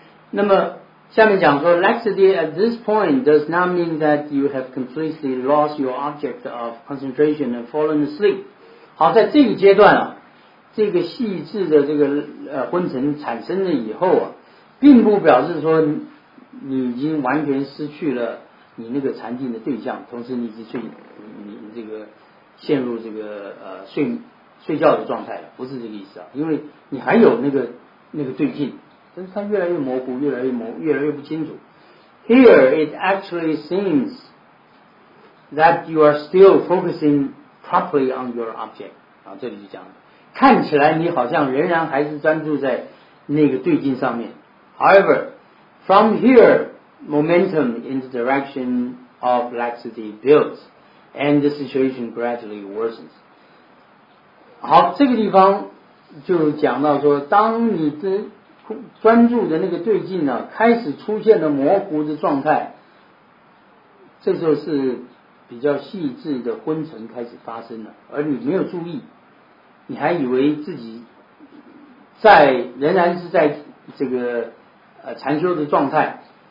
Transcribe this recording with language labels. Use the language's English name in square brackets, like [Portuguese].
[Chinese] 那么下面讲说 [English] laxity at this point does not mean that you have completely lost your object of concentration and fallen asleep。 [Chinese] 好，在这个阶段这个细致的这个昏沉产生了以后并不表示说你已经完全失去了你那个禅定的对象，同时你已经你这个陷入这个睡觉的状态了，不是这个意思因为你还有那个对境，但是它越来越模糊，越来越不清楚。 [English] Here it actually seems that you are still focusing properly on your object。 [Chinese] 这里就讲了，看起来你好像仍然还是专注在那个对境上面。 [English] However, from here, momentum in the direction of laxity builds, and the situation gradually worsens。 [Chinese] 好，这个地方就讲到说，当你的专注的那个对境开始出现了模糊的状态，这时候是比较细致的昏沉开始发生了，而你没有注意，你还以为自己仍然是在这个禅修的状态。